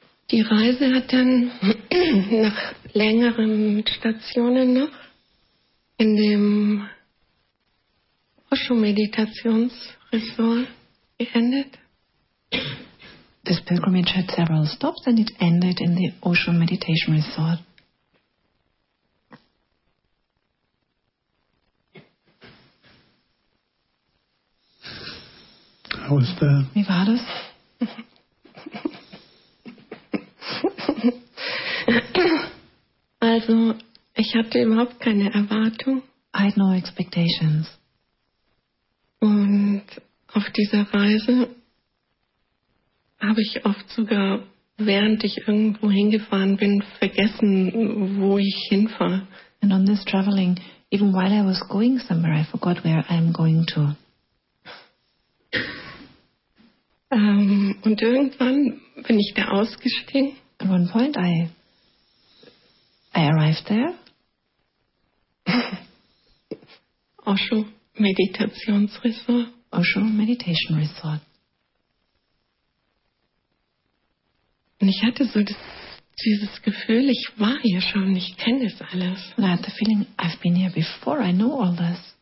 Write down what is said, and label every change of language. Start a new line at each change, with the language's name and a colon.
German: Die Reise hat dann nach längeren Stationen noch in dem Osho-Meditationsresort. geendet?
English: This pilgrimage had several stops and it ended in the Osho Meditation Resort. How was that?
German: Wie war das? Also, ich hatte überhaupt keine Erwartung.
English: I had no expectations.
German: Und auf dieser Reise habe ich oft sogar, während ich irgendwo hingefahren bin, vergessen, wo ich hinfahre.
English: And on this traveling, even while I was going somewhere, I forgot where I'm going to.
German: Und irgendwann bin ich da ausgestiegen.
English: At one point I arrived there.
German: Osho Meditationsresort.
English: Osho Meditation Resort.
German: Und ich hatte so dieses Gefühl, ich war hier schon, ich kenne das alles.
English: And I had the feeling, I've been here before, I know all this.